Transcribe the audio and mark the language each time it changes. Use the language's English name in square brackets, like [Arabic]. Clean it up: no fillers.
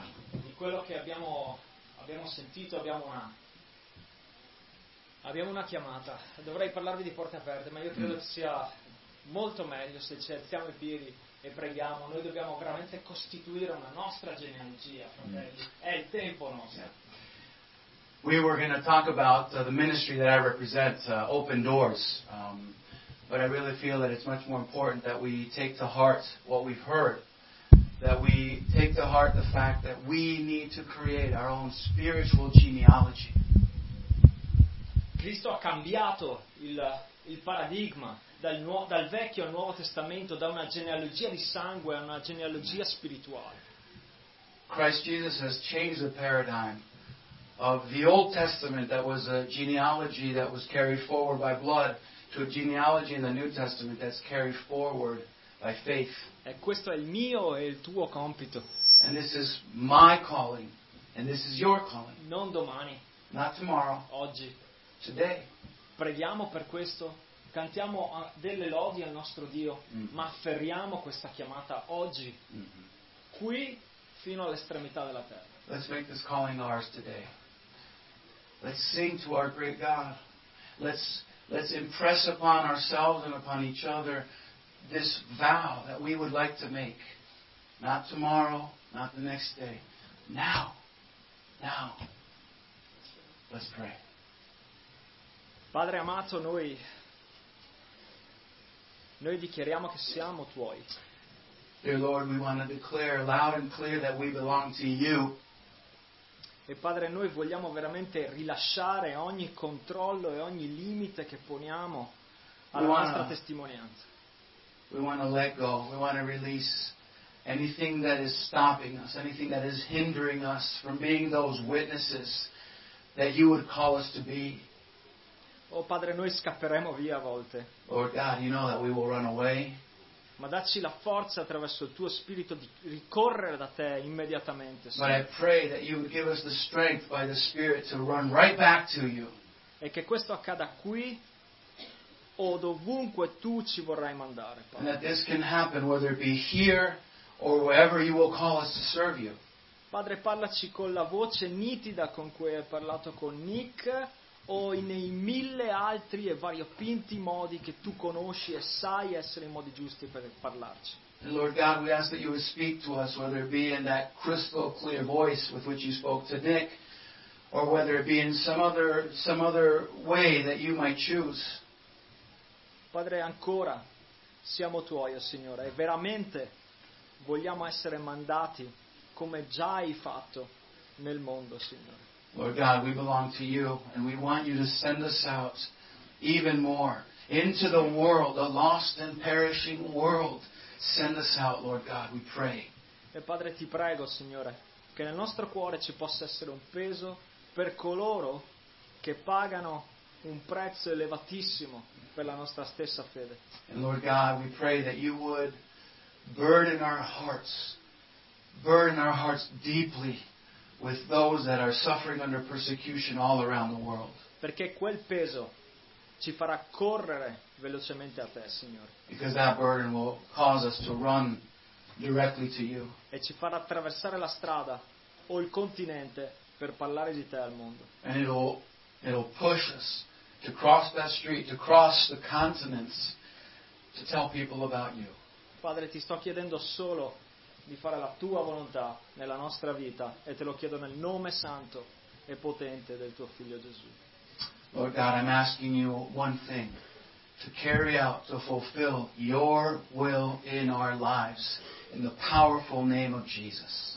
[Italian] Di quello che abbiamo sentito, abbiamo una chiamata. Dovrei parlarvi di porte aperte, ma io credo che sia molto meglio se ci alziamo i piedi e preghiamo. Noi dobbiamo veramente costituire una nostra genealogia, fratelli. È il tempo nostro. [English] We were going to talk about the ministry that I represent, Open Doors, but I really feel that it's much more important that we take to heart what we've heard, that we take to heart the fact that we need to create our own spiritual genealogy. [Italian] Cristo ha cambiato il paradigma. Dal Vecchio al Nuovo Testamento, da una genealogia di sangue a una genealogia spirituale. [English] Christ Jesus has changed the paradigm of the Old Testament that was a genealogy that was carried forward by blood to a genealogy in the New Testament that's carried forward by faith. [Italian] E questo è il mio e il tuo compito. [English] And this is my calling and this is your calling. [Italian] Non domani. [English] Not tomorrow. [Italian] Oggi. [English] Today. [Italian] Preghiamo per questo. Cantiamo delle lodi al nostro Dio, ma afferriamo questa chiamata oggi, qui, fino all'estremità della terra. [English] Let's make this calling ours today. Let's sing to our great God. Let's impress upon ourselves and upon each other this vow that we would like to make. Not tomorrow, not the next day. Now. Now. Let's pray. [Italian] Padre amato, noi dichiariamo che siamo tuoi. [English] Dear Lord, we want to declare loud and clear that we belong to you. [Italian] E Padre, noi vogliamo veramente rilasciare ogni controllo e ogni limite che poniamo alla nostra testimonianza. [English] We want to let go. We want to release anything that is stopping us, anything that is hindering us from being those witnesses that you would call us to be. [Italian] Oh Padre, noi scapperemo via a volte. [English] Lord God, you know that we will run away. [Italian] Ma dacci la forza attraverso il tuo spirito di ricorrere da te immediatamente. [English] But I pray that you would give us the strength by the Spirit to run right back to you. [Italian] E che questo accada qui o dovunque tu ci vorrai mandare, Padre. [English] And that this can happen whether it be here or wherever you will call us to serve you. [Italian] Padre, parlaci con la voce nitida con cui hai parlato con Nick. O nei mille altri e variopinti modi che tu conosci e sai essere i modi giusti per parlarci. [English] Lord God, we ask that you would speak to us, whether it be in that crystal clear voice with which you spoke to Nick, or whether it be in some other way that you might choose. [Italian] Padre, ancora siamo tuoi, oh Signore, e veramente vogliamo essere mandati come già hai fatto nel mondo, Signore. [English] Lord God, we belong to you, and we want you to send us out even more into the world, the lost and perishing world. Send us out, Lord God, we pray. [Italian] E Padre, ti prego, Signore, che nel nostro cuore ci possa essere un peso per coloro che pagano un prezzo elevatissimo per la nostra stessa fede. [English] And Lord God, we pray that you would burden our hearts deeply with those that are suffering under persecution all around the world. [Italian] Perché quel peso ci farà correre velocemente a te, Signore. [English] Because that burden will cause us to run directly to you. [Italian] E ci farà attraversare la strada o il continente per parlare di te al mondo. [English] And it'll push us to cross that street, to cross the continents, to tell people about you. [Italian] Padre, ti sto chiedendo solo di fare la tua volontà nella nostra vita e te lo chiedo nel nome santo e potente del tuo figlio Gesù. [English] Lord God, I'm asking you one thing, to carry out, to fulfill your will in our lives, in the powerful name of Jesus.